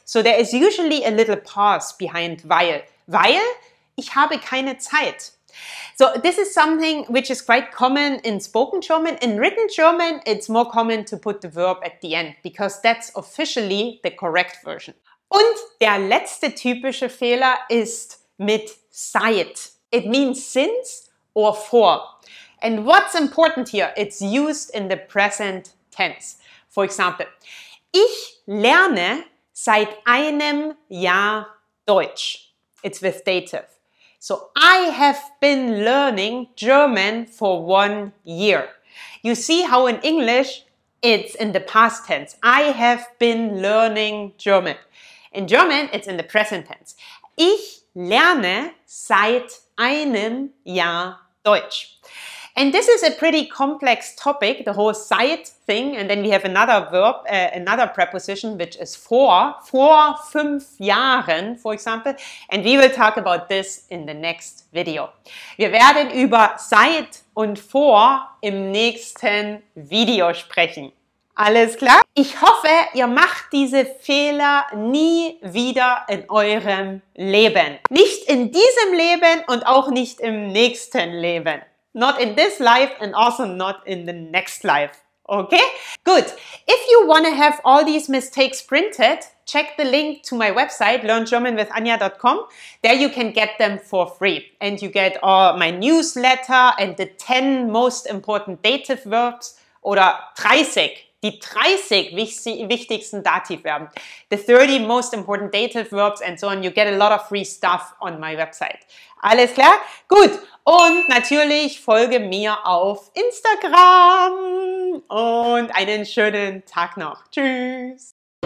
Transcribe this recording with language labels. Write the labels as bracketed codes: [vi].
[en] So there is usually a little pause behind weil. [de] Weil ich habe keine Zeit. [en] So this is something which is quite common in spoken German. In written German, it's more common to put the verb at the end because that's officially the correct version. [de] Und der letzte typische Fehler ist mit seit. [en] It means since or for. And what's important here? It's used in the present tense. For example, [de] ich lerne seit einem Jahr Deutsch. [en] It's with dative. So I have been learning German for 1 year. You see how in English it's in the past tense. I have been learning German. In German it's in the present tense. [de] Ich lerne seit einem Jahr Deutsch. [en] And this is a pretty complex topic, the whole seit thing. And then we have another verb, another preposition, which is [de] vor 5 Jahren, [en] for example. And we will talk about this in the next video. [de] Wir werden über seit und vor im nächsten Video sprechen. Alles klar? Ich hoffe, ihr macht diese Fehler nie wieder in eurem Leben. Nicht in diesem Leben und auch nicht im nächsten Leben. [en] Not in this life and also not in the next life. Okay? Good. If you want to have all these mistakes printed, check the link to my website, learngermanwithanya.com. There you can get them for free. And you get all my newsletter and the 10 most important dative verbs [de] oder 30. Die 30 wichtigsten Dativverben, [en] the 30 most important dative verbs and so on. You get a lot of free stuff on my website. [de] Alles klar? Gut. Und natürlich folge mir auf Instagram. Und einen schönen Tag noch. Tschüss.